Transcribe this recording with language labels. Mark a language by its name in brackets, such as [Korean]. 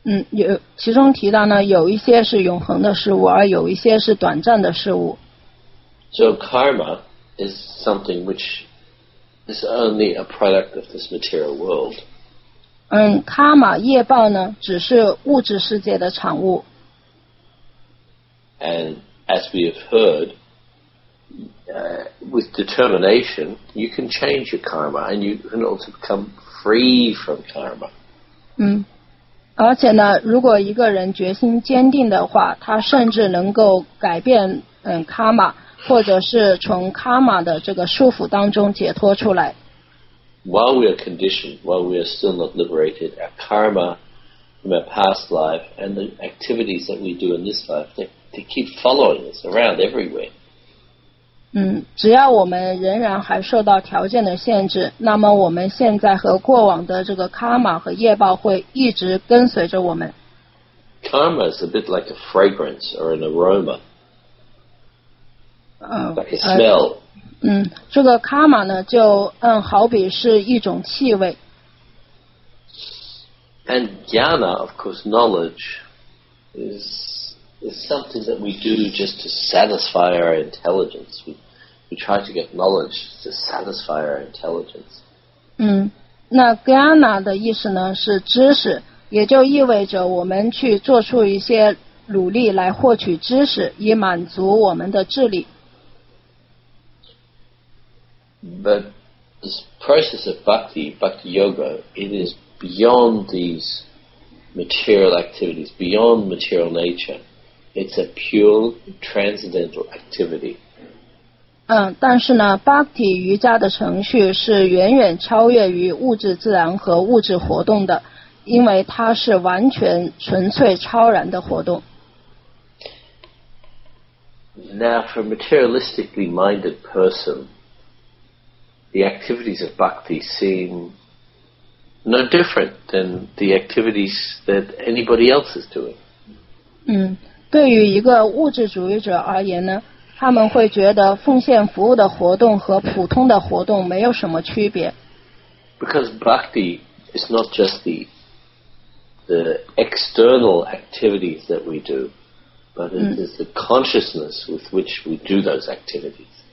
[Chinese] 有其中提到呢，有一些是永恒的事物，而有一些是短暂的事物。 [English] So karma is something which is only a product of this material world. [Chinese] Karma 业报呢，只是物质世界的产物。 [English] And as we have heard, with determination, you can change your karma, and you can also become free from karma. [Chinese] 而且呢，如果一个人决心坚定的话，他甚至能够改变karma， 或者是从 karma 的这个束缚当中解脱出来。 [English] While we are conditioned, while we are still not liberated, our karma from our past life and the activities that we do in this life, they keep following us around everywhere. [Chinese] 只要我们仍然还受到条件的限制，那么我们现在和过往的这个 karma 和业报会一直跟随着我们。 [English] Karma is a bit like a fragrance or an aroma. Like a smell. [Chinese] 这个 karma 呢就好比是一种气味。 [English] And jnana, of course, knowledge is something that we do just to satisfy our intelligence. We try to get knowledge to satisfy our intelligence. [Chinese] 那 jnana 的意思呢是知识，也就意味着我们去做出一些努力来获取知识，以满足我们的智力。 [English] But this process of bhakti yoga, it is beyond these material activities, beyond material nature. It's a pure transcendental activity. [Chinese] 但是呢 ，bhakti 瑜伽的程序是远远超越于物质自然和物质活动的。因为它是完全纯粹超然的活动。 [English] Now, for a materialistically minded person, the activities of bhakti seem no different than the activities that anybody else is doing. [Chinese] 对于一个物质主义者而言呢，他们会觉得奉献服务的活动和普通的活动没有什么区别。 [English] Because bhakti is not just the external activities that we do, but it is the consciousness with which we do those activities.